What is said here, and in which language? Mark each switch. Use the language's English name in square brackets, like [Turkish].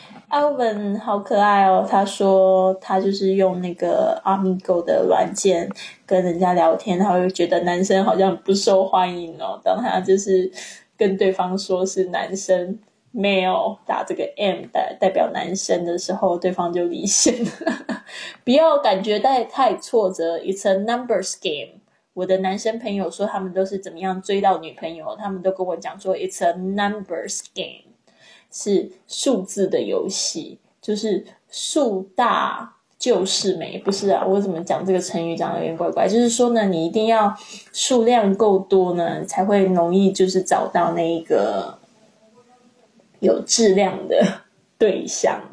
[Chinese] Alvin 好可爱哦，他说他就是用那个 Amigo 的软件跟人家聊天，他会觉得男生好像不受欢迎哦，当他就是跟对方说是男生 male 打这个 M 代表男生的时候，对方就离线了。不要感觉太挫折， [English] It's a numbers game。 [Chinese] 我的男生朋友说他们都是怎么样追到女朋友，他们都跟我讲说 [English] It's a numbers game， [Chinese] 是数字的游戏，就是数大就是美。不是啊，我怎么讲这个成语讲的有点怪怪，就是说呢，你一定要数量够多呢，才会容易就是找到那一个有质量的对象。